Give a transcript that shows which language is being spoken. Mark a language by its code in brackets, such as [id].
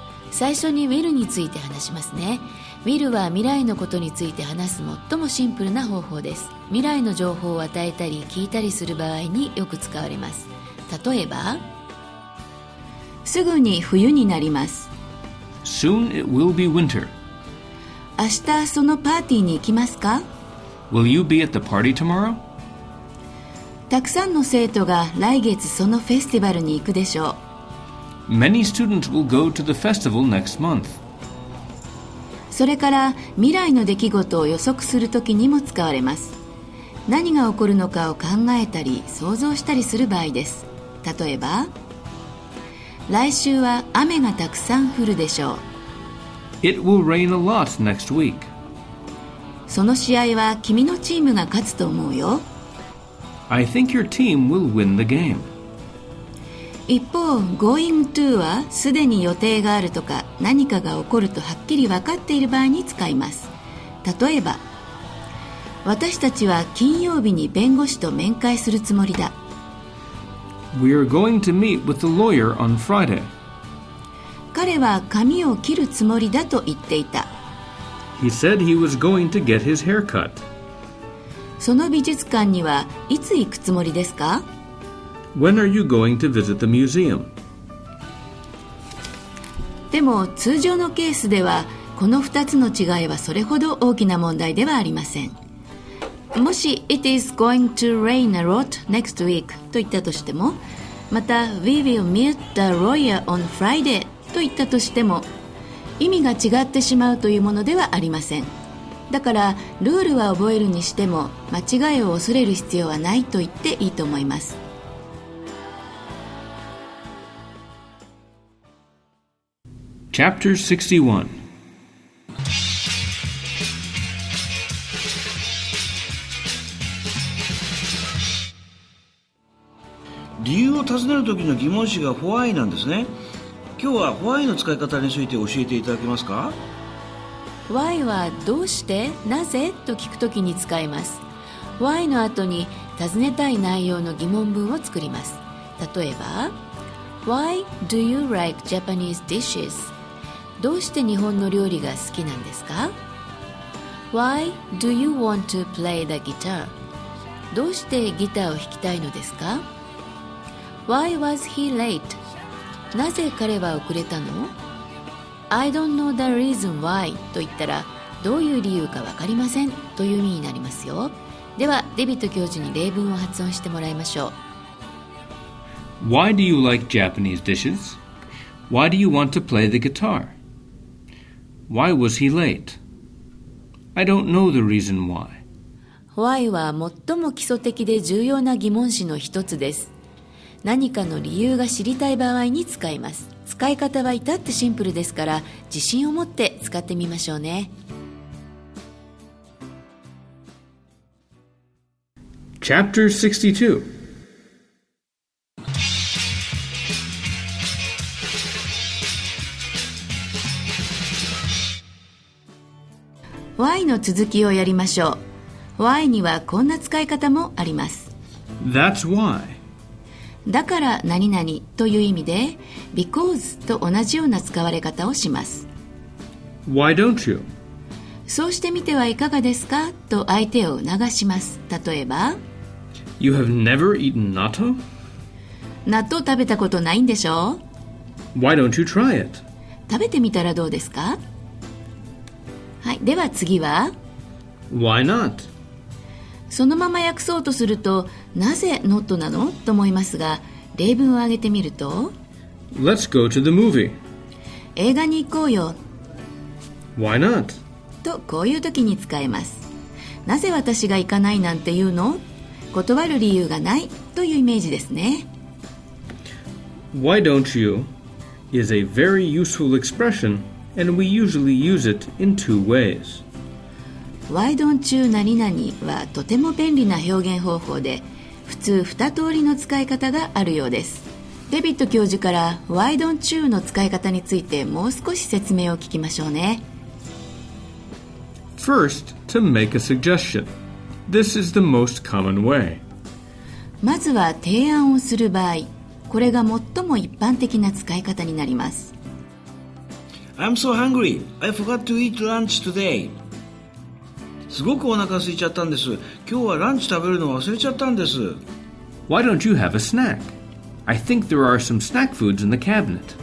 [ja] 最初に will について話しますね。will は未来のことについて話す最もシンプルな方法です。未来の情報を与えたり聞いたりする場合によく使われます。例えば、すぐに冬になります。 [en] Soon it will be winter. [ja] 明日そのパーティーに行きますか？ [en] Will you be at the party tomorrow? [ja] たくさんの生徒が来月そのフェスティバルに行くでしょう。 [en] Many students will go to the festival next month. [ja] それから未来の出来事を予測するときにも使われます。何が起こるのかを考えたり想像したりする場合です。例えば、来週は雨がたくさん降るでしょう。 [en] It will rain a lot next week. [ja] その試合は君のチームが勝つと思うよ。 [en] I think your team will win the game. [ja] 一方、 going to はすでに予定があるとか何かが起こるとはっきり分かっている場合に使います。例えば、私たちは金曜日に弁護士と面会するつもりだ。 [en] We are going to meet with the lawyer on Friday. [ja] 彼は髪を切るつもりだと言っていた。 [en] He said he was going to get his haircut. [ja] その美術館にはいつ行くつもりですか? [en] When are you going to visit the museum? [ja] でも通常のケースではこの2つの違いはそれほど大きな問題ではありません。もし [en] It is going to rain a lot next week [ja] と言ったとしても、また [en] We will meet the lawyer on Friday [ja] と言ったとしても、意味が違ってしまうというものではありません。だからルールは覚えるにしても間違いを恐れる必要はないと言っていいと思います。 [en] Chapter [ja] 61。理由を尋ねる時の疑問詞が why なんですね。今日は why の使い方について教えていただけますか。 why はどうして、なぜと聞く時に使います。 why の後に尋ねたい内容の疑問文を作ります。 [en] 例えば why do you like Japanese dishes? [ja] どうして日本の料理が好きなんですか? [en] Why do you want to play the guitar? [ja] どうしてギターを弾きたいのですか? [en] Why was he late? [ja] なぜ彼は遅れたの? [en] I don't know the reason why [ja] と言ったら、どういう理由か分かりませんという意味になりますよ。ではデビット教授に例文を発音してもらいましょう。 [en] Why do you like Japanese dishes? Why do you want to play the guitar? Why was he late? I don't know the reason why. [ja] Why は最も基礎的で重要な疑問詞の一つです。何かの理由が知りたい場合に使います。使い方は至ってシンプルですから、自信を持って使ってみましょうね。 [en] Chapter 62. [ja] Why の続きをやりましょう。Why にはこんな使い方もあります。 [en] That's why。 [ja] だから何々という意味で Because と同じような使われ方をします。 [en] Why don't you? [ja] そうしてみてはいかがですかと相手を促します。例えば [en] You have never eaten natto? [ja] 納豆食べたことないんでしょう。 [en] Why don't you try it? [ja] 食べてみたらどうですか。はい、では次は [en] Why not? [ja] そのまま訳そうとするとなぜ not なのと思いますが、例文を挙げてみると [en] Let's go to the movie. [ja] 映画に行こうよ。 [en] Why not? [ja] とこういう時に使えます。なぜ私が行かないなんて言うの、断る理由がないというイメージですね。 [en] Why don't you? is a very useful expressionAnd we usually use it in two ways. [ja] Why don't you 何々はとても便利な表現方法で、普通二通りの使い方があるようです。デビット教授から Why don't you の使い方についてもう少し説明を聞きましょうね。 [en] First, to make a suggestion. This is the most common way. [ja] まずは提案をする場合、これが最も一般的な使い方になります。 [en] I'm so hungry. I forgot to eat lunch today. [ja] すごくお腹空いちゃったんです。今日はランチ食べるの忘れちゃったんです。 [en] Why don't you have a snack? I think there are some snack foods in the cabinet.